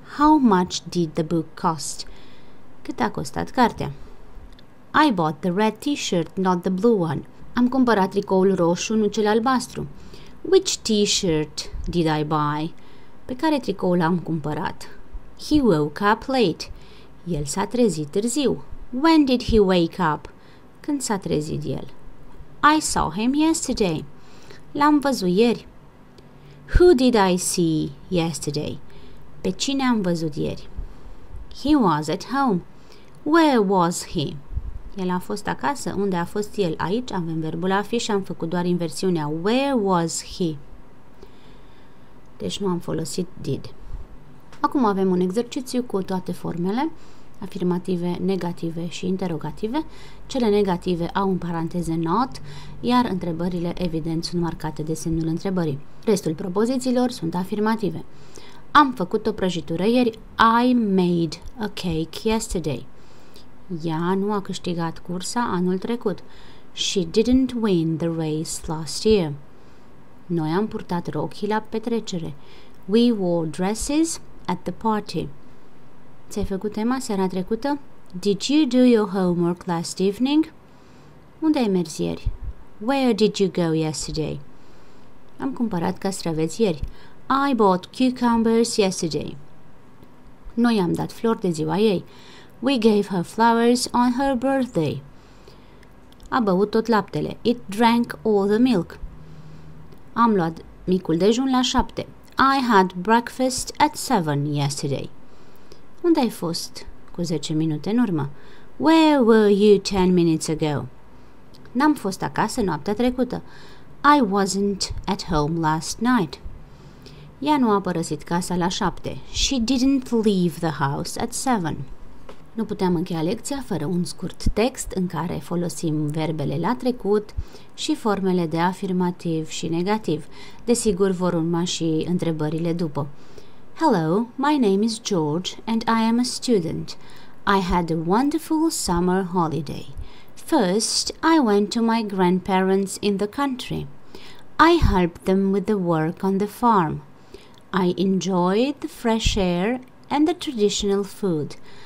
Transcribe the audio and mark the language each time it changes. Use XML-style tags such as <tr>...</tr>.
<en>How much did the book cost?</en> <ro>Cât a costat cartea?</ro> <en>I bought the red t-shirt, not the blue one.</en> <ro>Am cumpărat tricoul roșu, nu cel albastru.</ro> <en>Which t-shirt did I buy?</en> <ro>Pe care tricoul am cumpărat?</ro> <en>He woke up late.</en> <ro>El s-a trezit târziu.</ro> <en>When did he wake up?</en> <ro>Când s-a trezit el?</ro> <en>I saw him yesterday.</en> <ro>L-am văzut ieri.</ro> <en>Who did I see yesterday?</en> <ro>Pe cine am văzut ieri?</ro> <en>He was at home. Where was he?</en> <ro>El a fost acasă. Unde a fost el? Aici avem verbul a fi și am făcut doar inversiunea.</ro> <en>Where was he?</en> <ro>Deci nu am folosit did. Acum avem un exercițiu cu toate formele, afirmative, negative și interrogative. Cele negative au în paranteze not, iar întrebările, evident, sunt marcate de semnul întrebării. Restul propozițiilor sunt afirmative. Am făcut o prăjitură ieri.</ro> <en>I made a cake yesterday.</en> <ro>Ea nu a câștigat cursa anul trecut.</ro> <en>She didn't win the race last year.</en> <ro>Noi am purtat rochii la petrecere.</ro> <en>We wore dresses at the party.</en> <ro>Ți-ai făcut tema seara trecută?</ro> <en>Did you do your homework last evening?</en> <ro>Unde ai mers ieri?</ro> <en>Where did you go yesterday?</en> <ro>Am cumpărat castraveți ieri.</ro> <en>I bought cucumbers yesterday.</en> <ro>Noi am dat flori de ziua ei.</ro> <en>We gave her flowers on her birthday.</en> <ro>a băut tot laptele.</ro> <en>It drank all the milk.</en> <ro>Am luat micul dejun la 7.</ro> <en>I had breakfast at 7 yesterday.</en> <ro>Unde ai fost cu 10 minute în urmă?</ro> <en>Where were you 10 minutes ago?</en> <ro>N-am fost acasă noaptea trecută.</ro> <en>I wasn't at home last night.</en> <ro>Ea nu a părăsit casa la 7.</ro> <en>She didn't leave the house at 7.</en> <ro>Nu puteam încheia lecția fără un scurt text în care folosim verbele la trecut și formele de afirmativ și negativ. Desigur, vor urma și întrebările după.</ro> <en>Hello, my name is George and I am a student. I had a wonderful summer holiday. First, I went to my grandparents in the country. I helped them with the work on the farm. I enjoyed the fresh air and the traditional food.</en>